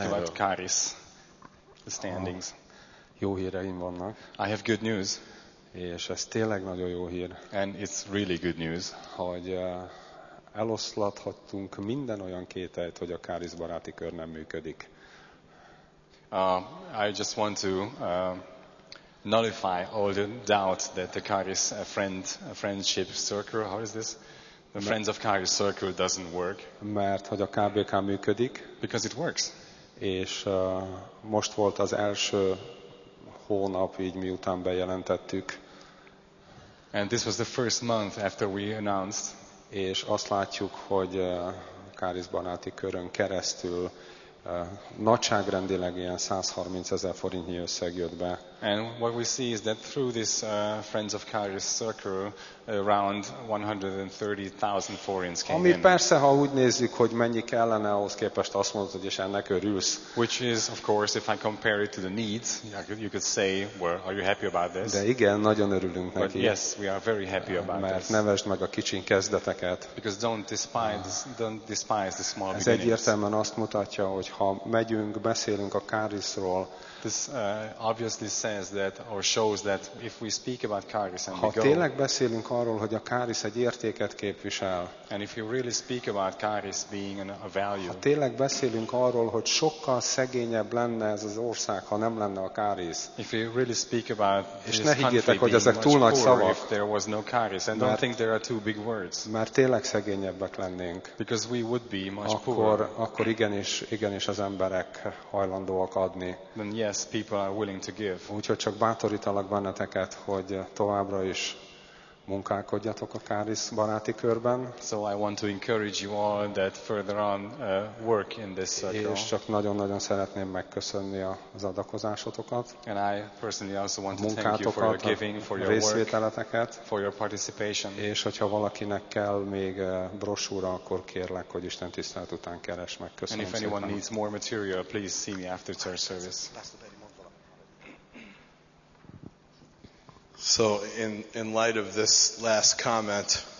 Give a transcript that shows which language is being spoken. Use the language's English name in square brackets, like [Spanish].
[Hungarian] erről. [English] About Káris, the standings. [Hungarian] Jó híreim vannak. [English] I have good news. [Hungarian] És ez tényleg nagyon jó hír. [English] And it's really good news. [Hungarian] Hogy eloszlathattunk minden olyan kételyt, hogy a Káris baráti kör nem működik. [English] I just want to nullify all the doubts that the Caris friendship circle, how is this? The Friends of Caris circle doesn't work. [Hungarian] Mert hogy a KBK működik. [English] Because it works. [Hungarian] És most volt az első hónap, így miután bejelentettük. [English] And this was the first month after we announced. [Hungarian] És azt látjuk, hogy Káris baráti körön keresztül nagyságrendileg ilyen 130 ezer forintnyi összeg jött be. [English] And what we see is that through this Friends of Caris circle around 130,000 forints came in. [Hungarian] Ami persze, ha úgy nézzük, hogy mennyi kellene ahhoz képest, azt mondod, hogy és ennek örülsz. [English] Which is of course if I compare it to the needs, you could say, well, are you happy about this? [Hungarian] De igen, nagyon örülünk neki. [English] But yes, we are very happy about this. [Hungarian] Mert nevesd meg a kicsi kezdeteket. [English] Because don't despise the small beginnings. [Hungarian] Ez egyértelműen azt mutatja, hogy ha megyünk, beszélünk a Carisról. [English] This obviously says that or shows that if we speak about Caris and [Hungarian] ha tényleg beszélünk arról, hogy a Caris egy értéket képvisel, [English] and if you really speak about Caris being a value, [Hungarian] ha tényleg beszélünk arról, hogy sokkal szegényebb lenne ez az ország, ha nem lenne a Caris, [English] if you really speak about [Hungarian] és ne higgyétek, hogy ezek túl nagy szavak, [English] no Caris, and don't think there are too big words, [Hungarian] mert tényleg szegényebbek lennénk, [English] because we would be much poorer, [Hungarian] akkor igenis az emberek hajlandóak adni. [English] Yes, people are willing to give. [Hungarian] Úgyhogy csak bátorítalak benneteket, hogy továbbra is munkálkodjatok a Káris baráti körben. [English] So I want to encourage you all that further on work in this circle. [Hungarian] És csak nagyon-nagyon szeretném megköszönni az adakozásotokat. [English] And I personally also want to thank you for your giving, for your [Hungarian] részvételeteket, [English] work, for your participation. [Hungarian] És hogyha valakinek kell még brosúra, akkor kérlek, hogy Isten tisztelet után keres meg. Köszönöm szépen. [English] And if anyone needs more material, please see me after church service. So in light of this last comment,